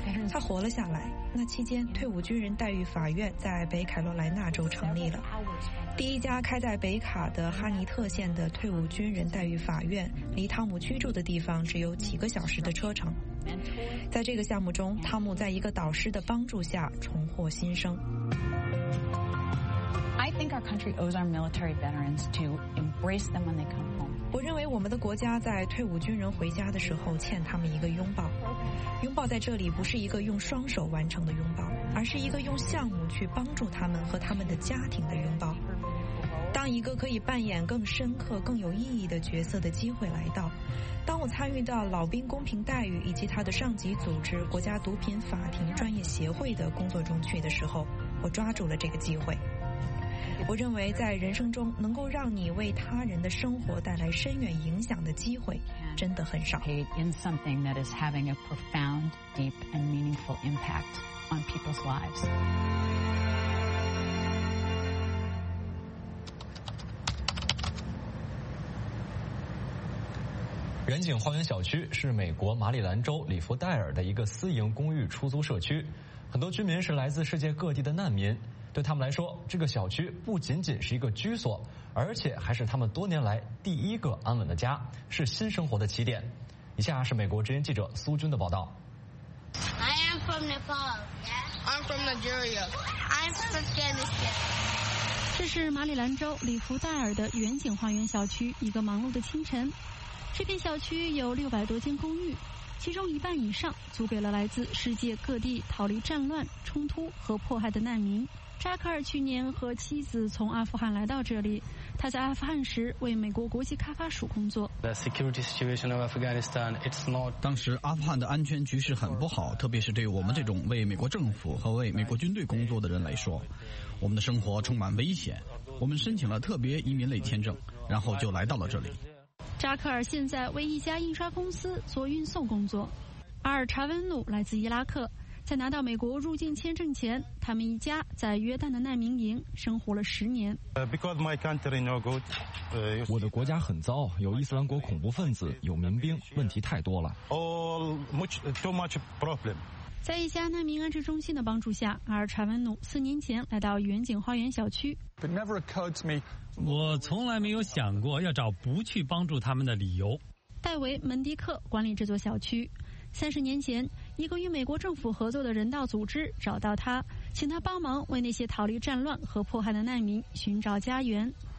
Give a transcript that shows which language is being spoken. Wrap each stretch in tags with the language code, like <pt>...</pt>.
<zh>他活了下来。那期间，退伍军人待遇法院在北卡罗来纳州成立了。第一家开在北卡的哈尼特县的退伍军人待遇法院，离汤姆居住的地方只有几个小时的车程。在这个项目中，汤姆在一个导师的帮助下重获新生。</zh> <en>I think our country owes our military veterans to embrace them when they come home.</en> <zh>我认为我们的国家在退伍军人回家的时候欠他们一个拥抱。拥抱在这里不是一个用双手完成的拥抱，而是一个用项目去帮助他们和他们的家庭的拥抱。当一个可以扮演更深刻、更有意义的角色的机会来到，当我参与到老兵公平待遇以及他的上级组织国家毒品法庭专业协会的工作中去的时候，我抓住了这个机会。我认为在人生中能够让你为他人的生活带来深远影响的机会真的很少。</zh> <en>In something that is having a profound, deep and meaningful impact on people's lives.</en> <zh>远景花园小区是美国马里兰州里弗戴尔的一个私营公寓出租社区，很多居民是来自世界各地的难民。对他们来说，这个小区不仅仅是一个居所，而且还是他们多年来第一个安稳的家，是新生活的起点。以下是美国之音记者苏军的报道。</zh> <en>I am from Nepal. I'm from Nigeria. I'm from Afghanistan.</en> <zh>这是马里兰州里弗戴尔的远景花园小区，一个忙碌的清晨。这片小区有600多间公寓，其中一半以上租给了来自世界各地逃离战乱、冲突和迫害的难民。扎克尔去年和妻子从阿富汗来到这里，他在阿富汗时为美国国际开发署工作。</zh> <en>The security situation of Afghanistan, it's not...</en> <zh>当时阿富汗的安全局势很不好，特别是对我们这种为美国政府和为美国军队工作的人来说，我们的生活充满危险。我们申请了特别移民类签证，然后就来到了这里。扎克尔现在为一家印刷公司做运送工作。阿尔查温努来自伊拉克，在拿到美国入境签证前，他们一家在约旦的难民营生活了10年。</zh> <en>Because my country no good，</en> <zh>我的国家很糟，有伊斯兰国恐怖分子，有民兵，问题太多了。</zh> <en>All much too much problem。</en> <zh>在一家难民安置中心的帮助下，阿尔查文努4年前来到远景花园小区。</zh> <en>But never occurred to me。</en> <zh>我从来没有想过要找不去帮助他们的理由。戴维·门迪克管理这座小区。30年前，一个与美国政府合作的人道组织找到他，请他帮忙为那些逃离战乱和迫害的难民寻找家园。</zh>